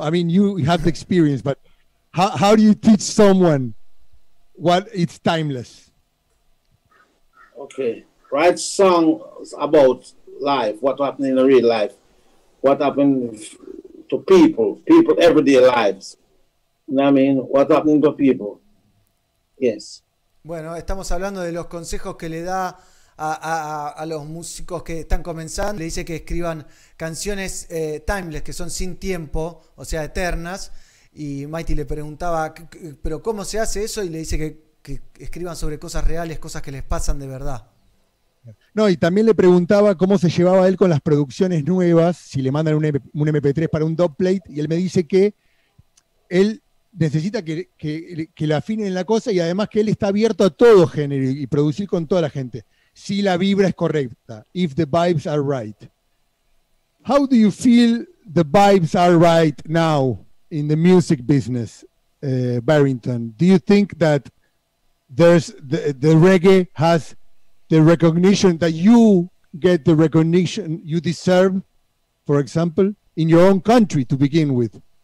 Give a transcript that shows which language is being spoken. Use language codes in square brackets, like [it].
[en] I mean, you have the experience, but how do you teach someone what it's timeless? Okay. Write songs about life, what happened in the real life, what happened to people, everyday lives. You know what I mean? What happened to people? Yes. [es] Bueno, estamos hablando de los consejos que le da a los músicos que están comenzando. Le dice que escriban canciones timeless, que son sin tiempo, o sea, eternas, Y Mighty le preguntaba, pero ¿cómo se hace eso? Y le dice que escriban sobre cosas reales, cosas que les pasan de verdad. No, y también le preguntaba cómo se llevaba él con las producciones nuevas, si le mandan un MP3 para un dubplate, y él me dice que él necesita que le afinen la cosa, y además que él está abierto a todo género y producir con toda la gente. Si la vibra es correcta, [en] if the vibes are right. How do you feel the vibes are right now in the music business, Barrington? Do you think that there's the reggae has the recognition that you get the recognition you deserve, for example, in your own country to begin with?